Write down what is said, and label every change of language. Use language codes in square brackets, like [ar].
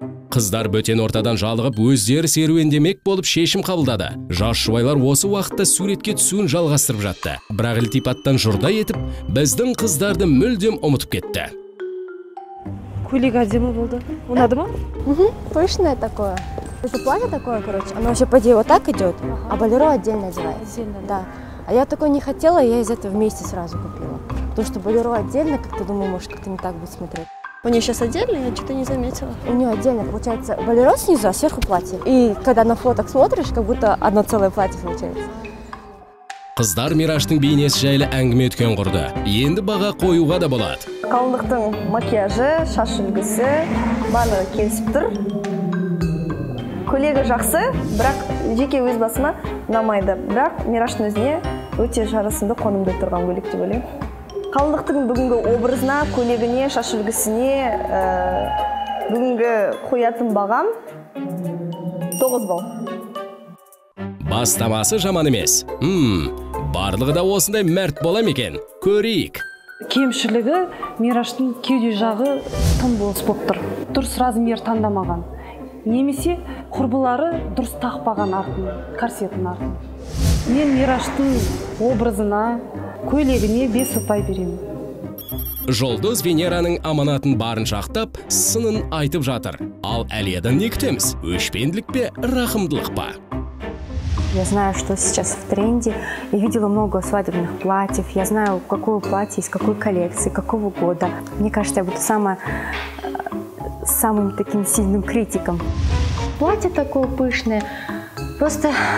[kk] Қыздар бөтен ортадан жалығып, өздері серуендемек болып шешім қабылдады. Жас жұбайлар осы уақытта суретке түсуін жалғастырып жатты. Бірақ ілтипаттан жұрдай етіп, біздің қыздарды мүлдем ұмытып кетті. Көйлек әдемі болды. Ұнады ма? [ru] Точно такое. Это платье такое, короче. Оно вообще по идее вот так идет, а балеро отдельно одевается. Да. А я такое не хотела, я из этого вместе сразу купила. То, что балеро отдельно, как-то думаю, может, как-то не так будет смотреть. У нее сейчас отдельно, я что-то не заметила. У нее отдельно, получается, балеро снизу, а сверху платье. И когда на фоток смотришь, как будто одно целое платье получается. [kk] Қыздар Мираштың бейнесі жайлы әңгіме өткен құрды. Енді баға қоюға да болады. Қалыңдықтың макияжы, шаш үлгісі, барлығы келісіп тұр. Көйлегі жақсы, бірақ жеке өз басыма ұнамайды. Бірақ Мираштың өзіне өте жарасымды қонымды тұрған көйлек деп ойлаймын. Қалдықтың бүгінгі образына, көйлегіне, шаш үлгісіне бүгінгі қоятын бағам 9 балл. Бастамасы жаман емес. Барлығы да осындай мәрт бола ма екен? Көрейік. Кемшілігі Мираштың кеуде жағы тым бос болып тұр. Дұрыс размер таңдамаған. Немесе құрбылары дұрыс тақпаған артын, корсетін артын. Мен Мираштың образына, көйлегіне 5 ұпай беремін. Жұлдыз Венераның аманатын барын шақтап, сынын айтып жатыр. Ал Әлиядан не күтеміз? Өшпенділік пе, рахымдылық па? [ru] Я знаю, что сейчас в тренде. Я видела много свадебных платьев. Я знаю, какое платье из какой коллекции, какого года. Мне кажется, я буду самым таким сильным критиком. Платье такое пышное. Просто